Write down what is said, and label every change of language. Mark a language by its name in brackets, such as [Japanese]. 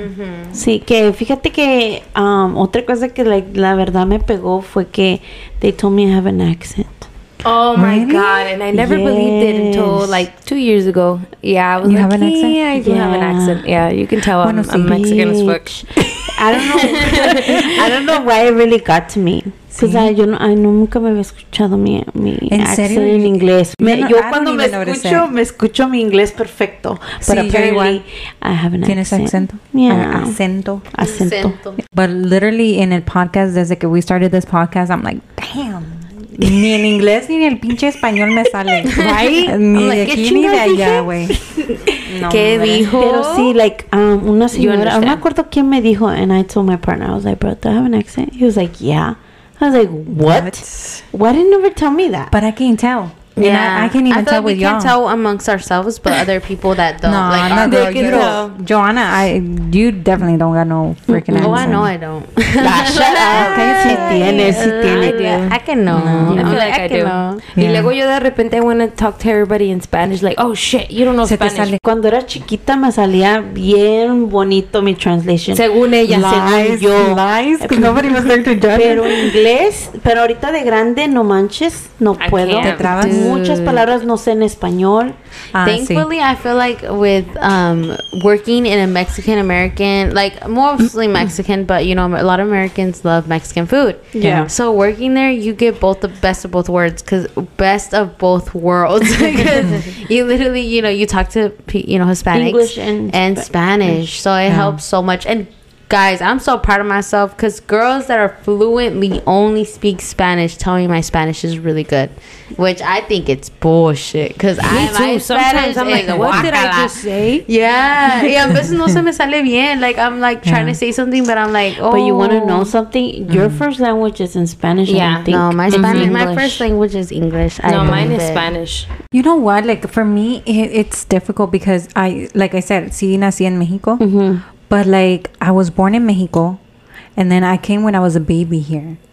[Spanish] Mm-hmm. Sí, que fíjate que otra cosa que like, la verdad me pegó fue que [English] they told me I have an accent. Oh my god, and I never believed it until like 2 years ago. Yeah, I was you like, have an accent? Yeah, I do have an accent. Yeah, you can tell I'm Mexican as fuck. I don't know why it really got to me. Because sí. [Spanish] I nunca me había escuchado mi accent en inglés. Yo cuando me escucho mi inglés perfecto. [English] But sí, apparently, I have an [Spanish] ¿tienes [English] accent. [Spanish] ¿Tienes acento? Yeah. Acento. [English] But literally, in the podcast, [Spanish] desde que [English] we started this podcast, I'm like, damn. [Spanish] Ni en inglés ni en el pinche español me sale. [English] Right? [Spanish] Ni de aquí ni de allá, güey. No, ¿qué dijo? Pero sí, like, una señora. No me acuerdo quién me dijo. [English] And I told my partner, I was like, bro, do I have an accent? He was like, yeah. I was like, what? Why didn't you ever tell me that? But I can't tell. Yeah. I can't even tell like with y'all. We can tell amongst ourselves, but other people that don't. No, like, no, girl. You know. Joanna, you definitely don't got no freaking accent. Oh, I know I don't. Nah, shut up. [Spanish] Okay, si tiene, si tiene. [English] I can know. No. I feel like I do. [Spanish] Y luego yo de repente, [English] I want to talk to everybody in Spanish. Like, oh, shit, you don't know se Spanish. [Spanish] Cuando era chiquita, me salía bien bonito mi translation. Según ella. [English] Lies, [Spanish] según yo. [English] Lies. Nobody was there to judge. [Spanish] Pero inglés, pero ahorita de grande, no manches, no I puedo. Te trabas. Muchas palabras no sé en español. [English] Thankfully, sí. I feel like with working in a Mexican American, like mostly Mexican, but you know, a lot of Americans love Mexican food. Yeah. So working there, you get both the best of both words, because best of both worlds. Because you literally, you know, you talk to, you know, Hispanics. English and Spanish. So it helps so much. And Guys, I'm so proud of myself because girls that are fluently only speak Spanish tell me my Spanish is really good, which I think it's bullshit. Because I too. Sometimes I'm like, what did I just say? [Spanish] Yeah, yeah. A veces no se me sale bien. [English] Like I'm like trying to say something, but I'm like, oh. But you want to know something? Your first language is in Spanish. Yeah, I think. No, my Spanish. My first language is English. No, mine is Spanish. You know what? Like for me, it's difficult because I, like I said, [Spanish] sí nací en México. [English] Mm-hmm. But, like, I was born in Mexico, and then I came when I was a baby here.